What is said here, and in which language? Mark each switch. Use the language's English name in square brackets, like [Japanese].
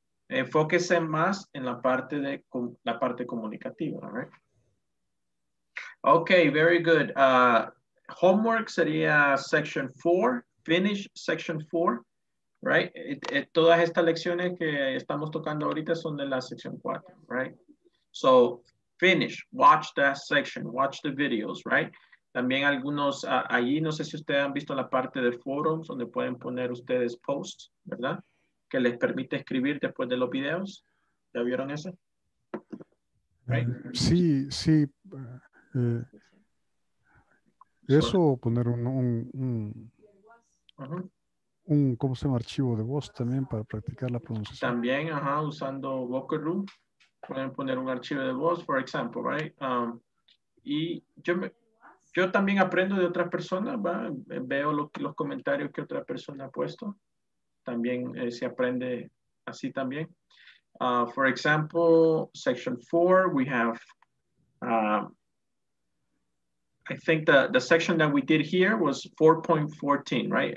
[Spanish] Enfóquese más en la parte de la parte comunicativa, [English] right? Okay, very good. Homework sería section 4, finish section 4, right? [Spanish] Todas estas lecciones que estamos tocando ahorita son de la sección 4, right? [English] So, finish, watch that section, watch the videos, right? [Spanish] También algunos allí, no sé si ustedes han visto la parte de forums donde pueden poner ustedes posts, ¿verdad? Que les permite escribir después de los videos. ¿Ya vieron eso? Right. Sí, sí. Eso, poner un ¿cómo se llama? Archivo de voz también para practicar la pronunciación. También, ajá, usando Vocal Room, pueden poner un archivo de voz, [English] for example, right? [Spanish] Y yo también aprendo de otras personas, ¿va? Veo los comentarios que otra persona ha puesto. También se aprende así también. [English] For example, section 4, we have, I think the section that we did here was 4.14, right?